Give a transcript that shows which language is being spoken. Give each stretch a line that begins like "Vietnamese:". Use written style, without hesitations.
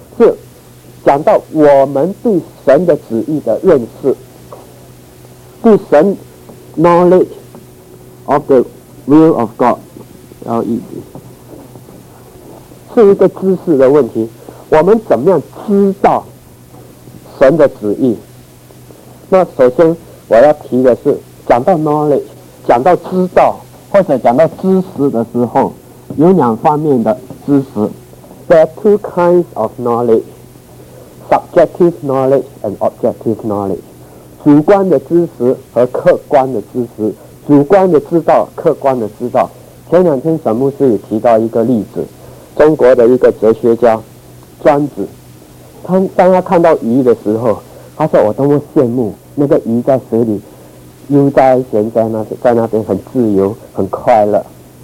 Chinese: 是讲到我们对神的旨意的认识，对神
English: knowledge of the will of God，
Chinese: 然后意是一个知识的问题。我们怎么样知道神的旨意？那首先我要提的是，讲到 knowledge， 讲到知道或者讲到知识的时候，有两方面的知识。
English: There are two kinds of knowledge: subjective knowledge and objective knowledge.
Chinese: 主观的知识和客观的知识，主观的知道，客观的知道。前两天沈牧师也提到一个例子，中国的一个哲学家庄子，他当他看到鱼的时候，他说：“我多么羡慕那个鱼在水里悠哉闲哉，在那边很自由，很快乐。”